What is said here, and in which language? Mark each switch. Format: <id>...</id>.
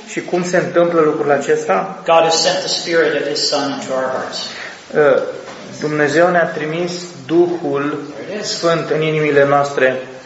<ro>Și cum se întâmplă lucrul acesta?</ro> <en>God has sent the Spirit of His Son into our hearts.</en> <ro>Dumnezeu ne-a trimis Duhul Sfânt în inimile noastre.</ro>